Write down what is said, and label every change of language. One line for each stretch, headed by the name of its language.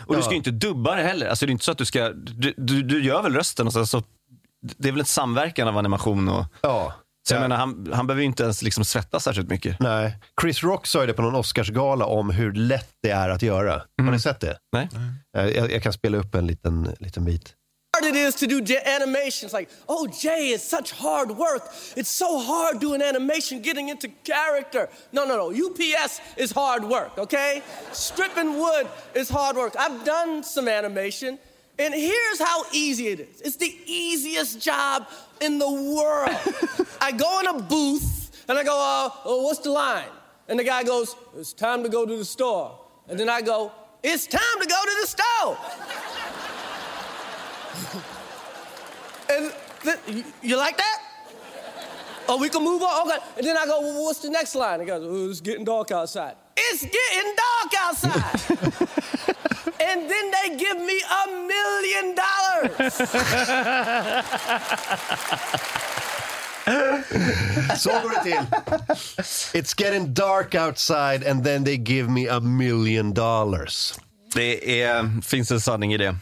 Swedish: Och du ska ju inte dubba det heller. Alltså det är inte så att du ska du gör väl rösten och så, det är väl ett samverkan av animation och menar, han behöver ju inte ens liksom svettas särskilt mycket. Nej. Chris Rock sa ju det på någon Oscarsgala om hur lätt det är att göra. Har ni sett det? Nej. Jag kan spela upp en liten bit.
English: Hard it is to do animations. Like, oh Jay, it's such hard work. It's so hard doing animation, getting into character. No. UPS is hard work, okay? Stripping wood is hard work. I've done some animation. And here's how easy it is. It's the easiest job in the world. I go in a booth and I go, what's the line? And the guy goes, it's time to go to the store. And then I go, it's time to go to the store. And you like that? Oh, we can move on? Okay. And then I go, well, what's the next line? And he goes, it's getting dark outside. It's getting dark outside. And then they give me $1 million.
Swedish: Så går det till.
English: It's getting dark outside and then they give me $1 million.
Swedish: Det finns en sanning i det.